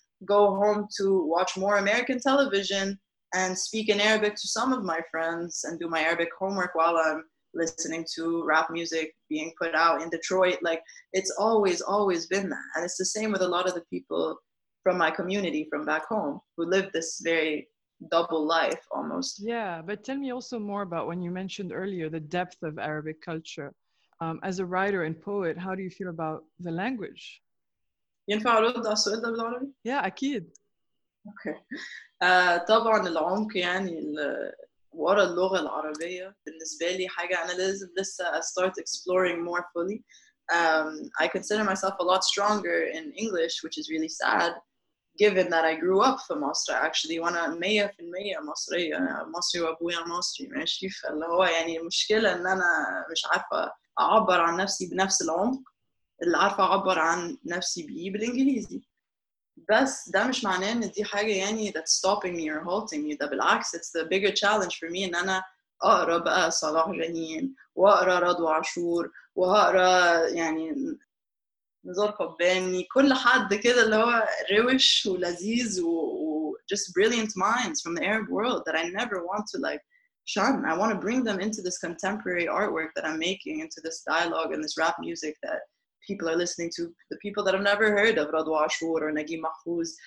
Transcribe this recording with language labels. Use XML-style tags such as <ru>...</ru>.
<en>Go home to watch more American television and speak in Arabic to some of my friends and do my Arabic homework while I'm listening to rap music being put out in Detroit. Like, it's always been that. And it's the same with a lot of the people from my community from back home who live this very double life almost. Yeah, but tell me also more about when you mentioned earlier the depth of Arabic culture. As a writer and poet, how do you feel about the language?</en> <ar>ينفع أرد على السؤال ده بالعربي؟ Yeah, أكيد.</ar> <en>Okay.</en> <ar>طبعا العمق يعني ورا اللغة العربية بالنسبة لي حاجة أنا لازم لسه</ar> <en>I start exploring more fully. I consider myself a lot stronger in English, which is really sad, given that I grew up</en> <ar>في مصر</ar> <en>actually.</en> <ar>وأنا 100% مصرية. مصري وأبويا مصري ماشي فاللي هو يعني المشكلة إن أنا مش عارفة أعبر عن نفسي بنفس العمق اللي عارفة أعبر عن نفسي بيه بالإنجليزي. بس ده مش معناه إن دي حاجة يعني</ar> <en>that's stopping me or halting me.</en> <ar>ده بالعكس</ar> <en>it's the bigger challenge for me</en> <ar>إن أنا أقرأ بقى صلاح جنين وأقرأ رضوى عاشور وأقرأ يعني نزار قباني كل حد كده اللي هو روش ولذيذ و</ar> <en>just brilliant minds from the Arab world that I never want to like Shan, I want to bring them into this contemporary artwork that I'm making, into this dialogue and this rap music that people are listening to, the people that have never heard of Radwa Ashour or Nagi Mahfouz.</en>